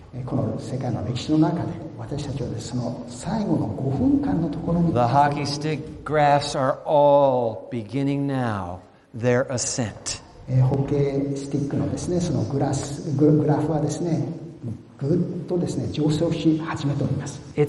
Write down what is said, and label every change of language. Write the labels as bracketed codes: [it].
[ja] この世界の歴史の中で私たちはですね、その最後の5分間のところに [en] The hockey stick graphs are all beginning now their ascent. [ja] ホッケースティックのですね、そのグラフはですね、ぐっとですね、上昇し始めております。